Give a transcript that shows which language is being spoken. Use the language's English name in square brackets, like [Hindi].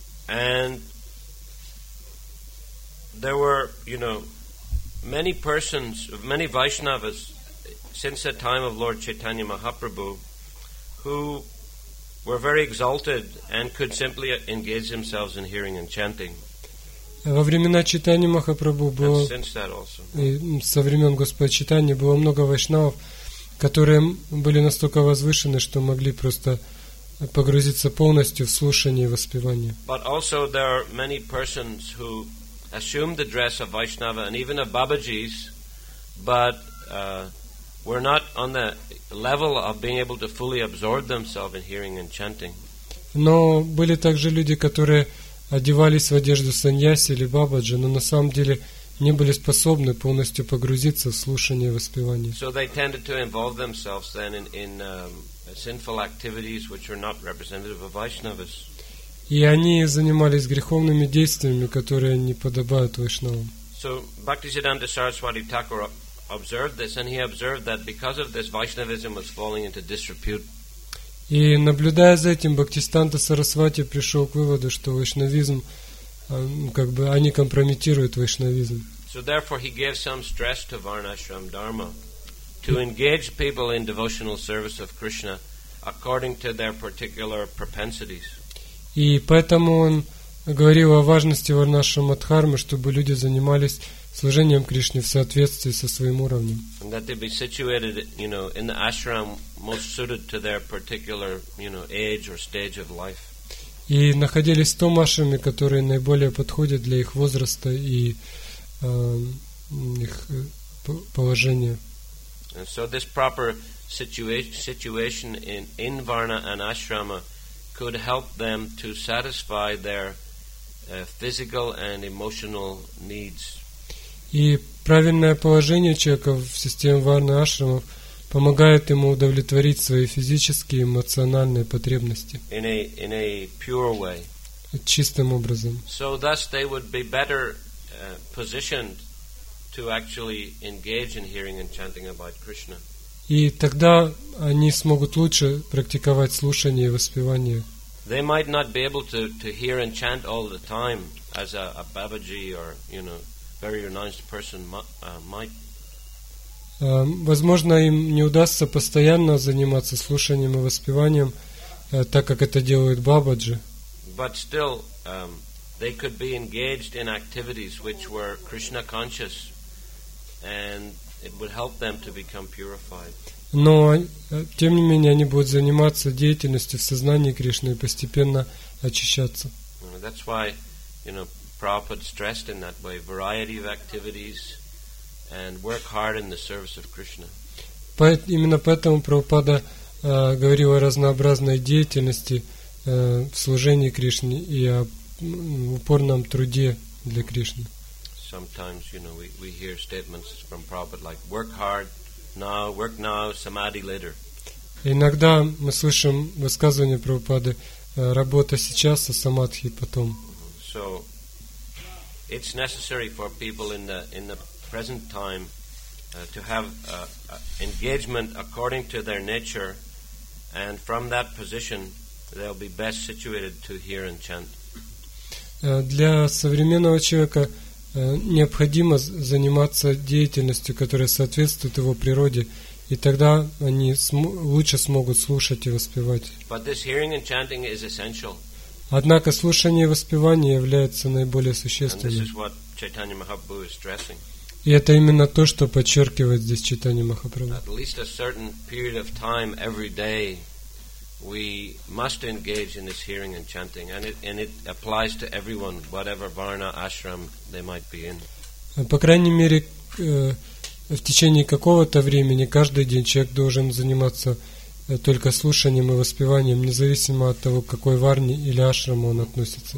[English] And there were, you know, many persons, many Vaishnavas since the time of Lord Chaitanya Mahaprabhu who were very exalted and could simply engage themselves in hearing and chanting. [Russian] Во времена Чайтаньи Махапрабху было, и со времен Господа Чайтаньи было много вайшнавов, которые были настолько возвышены, что могли просто погрузиться полностью в слушание и воспевание. [English] But also there are many persons who assumed the dress of Vaishnava and even of Babaji's, but were not on the level of being able to fully absorb themselves in hearing and chanting. [Russian] Но были также люди, которые одевались в одежду саньяси или бабаджи, но на самом деле не были способны полностью погрузиться в слушание и воспевание. [English] So they tended to involve themselves then in sinful activities which were not representative of Vaishnavas. [Russian] И они занимались греховными действиями, которые не подобают вайшнавам. [English] So Bhaktisiddhanta Saraswati Thakur observed this, and he observed that because of this, Vaishnavism was falling into disrepute. [Russian] И наблюдая за этим, Бхактистанта Сарасвати пришел к выводу, что вайшнавизм, как бы, они компрометируют вайшнавизм. [English] So therefore he gave some stress to Varnashram Dharma to engage people in devotional service of Krishna according to their particular propensities. [Russian] И поэтому он говорил о важности Варнашрама Дхармы, чтобы люди занимались служением Кришне в соответствии со своим уровнем. [English] And that they be situated, you know, in the ashram most suited to their particular, you know, age or stage of life. [Russian] И находились в том ашраме, который наиболее подходит для их возраста и их положения. [English] And so this proper situation in Varna and Ashrama could help them to satisfy their physical and emotional needs. [Russian] И правильное положение человека в системе варны ашрамов помогает ему удовлетворить свои физические и эмоциональные потребности [English] in a pure way. [Russian] Чистым образом. [English] So thus they would be better positioned to actually engage in hearing and chanting about Krishna. [Russian] И тогда они смогут лучше практиковать слушание и воспевание. [English] They might not be able to hear and chant all the time as a Babaji or, you know, very renounced person might. [Russian] Возможно, им не удастся постоянно заниматься слушанием и воспеванием, так как это делают Бабаджи. [English] But still, they could be engaged in activities which were Krishna conscious, and it would help them to become purified. [Russian] Но, тем не менее, они будут заниматься деятельностью в сознании Кришны и постепенно очищаться. [English] That's why, you know, Prabhupada stressed in that way, variety of activities and work hard in the service of Krishna. [Russian] Именно поэтому Прабхупада говорил о разнообразной деятельности в служении Кришне и о упорном труде для Кришны. [English] Sometimes, you know, we hear statements from Prabhupada like, work hard, now, work now, samadhi later. [Russian] Иногда мы слышим высказывания Прабхупады: работа сейчас, а самадхи потом. [English] So it's necessary for people in the present time to have engagement according to their nature, and from that position they'll be best situated to hear and chant. [Russian] Для современного человека необходимо заниматься деятельностью, которая соответствует его природе, и тогда они лучше смогут слушать и воспевать. [English] But this hearing and chanting is essential. [Russian] Однако слушание и воспевание является наиболее существенным. [English] And this is what Chaitanya Mahaprabhu is stressing. [Russian] И это именно то, что подчеркивает здесь Чайтанья Махапрабху. [English] At least a certain period of time every day we must engage in this hearing and chanting, and it applies to everyone, whatever varna ashram they might be in. [Russian] По крайней мере, в течение какого-то времени каждый день человек должен заниматься только слушанием и воспеванием, независимо от того, к какой варне или ашраму он относится.